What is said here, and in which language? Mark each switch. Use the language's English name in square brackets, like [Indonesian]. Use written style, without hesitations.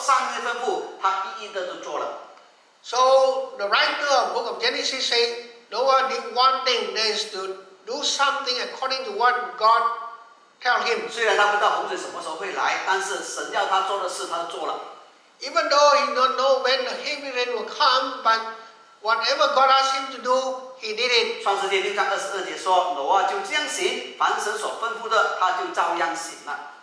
[Chinese] 但创世纪作者却描述挪亚只做一件事，就是照做上帝的吩咐，他一一的都做了。 [English] So the writer of the book of Genesis says Noah did one thing, that is to do something according to what God tell him. [Chinese] 虽然他不知道洪水什么时候会来，但是神要他做的事，他做了。 [English] Even though he don't know when the heavy rain will come, but whatever God asked him to do, he did it. [Chinese] 创世纪6章22节说，挪亚就这样行，凡神所吩咐的，他就照样行了。